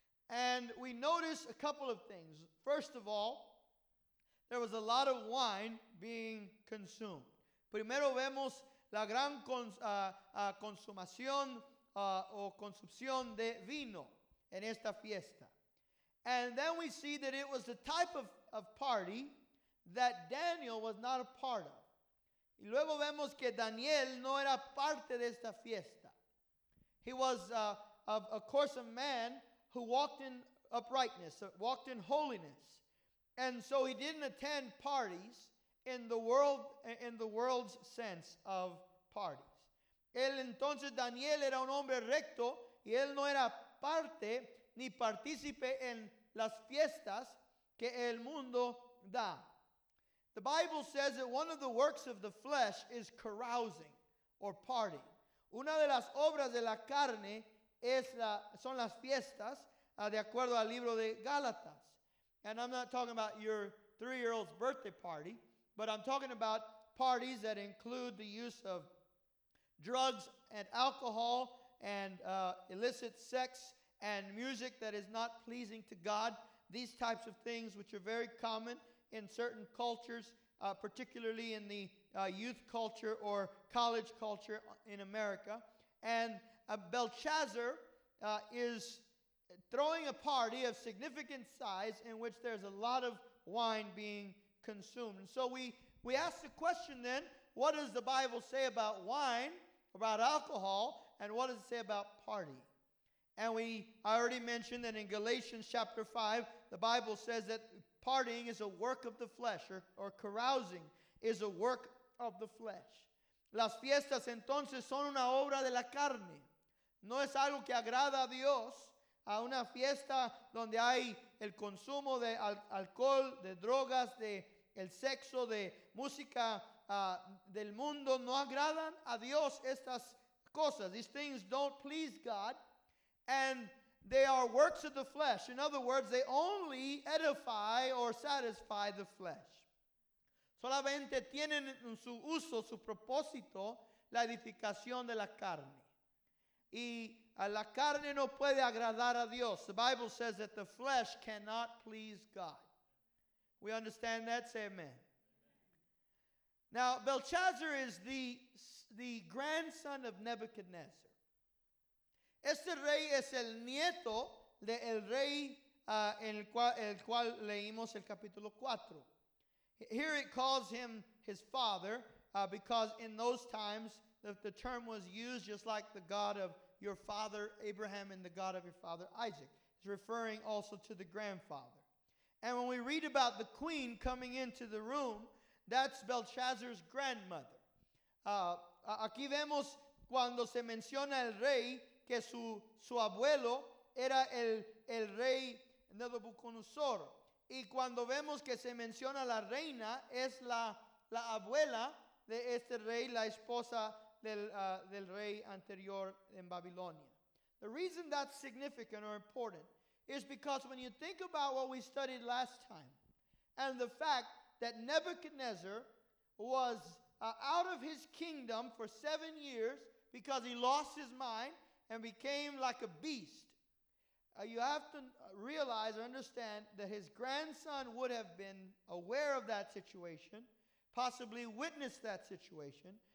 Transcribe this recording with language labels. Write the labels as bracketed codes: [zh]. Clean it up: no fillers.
[en] And we notice a couple of things. First of all, there was a lot of wine being consumed. [es] Primero vemos la gran consumación o consumción de vino en esta fiesta. [en] And then we see that it was the type of party that Daniel was not a part of. [es] Y luego vemos que Daniel no era parte de esta fiesta. [en] He was, of course, a man who walked in uprightness, walked in holiness. And so he didn't attend parties in the world, in the world's sense of parties. [es] Él entonces, Daniel, era un hombre recto, y él no era parte ni partícipe en las fiestas que el mundo da. [en] The Bible says that one of the works of the flesh is carousing or party. [es] Una de las obras de la carne es la, son las fiestas, de acuerdo al libro de Gálatas. [en] And I'm not talking about your three-year-old's birthday party, but I'm talking about parties that include the use of drugs and alcohol and illicit sex and music that is not pleasing to God. These types of things, which are very common in certain cultures, particularly in the youth culture or college culture in America. And Belshazzar is throwing a party of significant size in which there's a lot of wine being consumed. So we ask the question then, what does the Bible say about wine, about alcohol, and what does it say about party? And we, I already mentioned that in Galatians chapter 5, the Bible says that partying is a work of the flesh, or carousing is a work of the flesh. [es] Las fiestas entonces son una obra de la carne. No es algo que agrada a Dios. A una fiesta donde hay el consumo de alcohol, de drogas, de el sexo, de música del mundo, no agradan a Dios estas cosas. [en] These things don't please God, and they are works of the flesh. In other words, they only edify or satisfy the flesh. [es] Solamente tienen en su uso, su propósito, la edificación de la carne. Y a la carne no puede agradar a Dios. [en] The Bible says that the flesh cannot please God. We understand that? Say amen. Now, Belshazzar is the grandson of Nebuchadnezzar. [es] Este rey es el nieto del rey en el cual leímos el capítulo 4. [en] Here it calls him his father because in those times the term was used just like the God of your father Abraham and the God of your father Isaac. It's referring also to the grandfather. And when we read about the queen coming into the room, that's Belshazzar's grandmother. [es] Aquí vemos cuando se menciona el rey que su abuelo era el rey Nabucodonosor. Y cuando vemos que se menciona la reina, es la abuela de este rey, la esposa del rey anterior en Babilonia. [en] The reason that's significant or important is because when you think about what we studied last time and the fact that Nebuchadnezzar was out of his kingdom for 7 years because he lost his mind and became like a beast, you have to realize or understand that his grandson would have been aware of that situation, possibly witnessed that situation.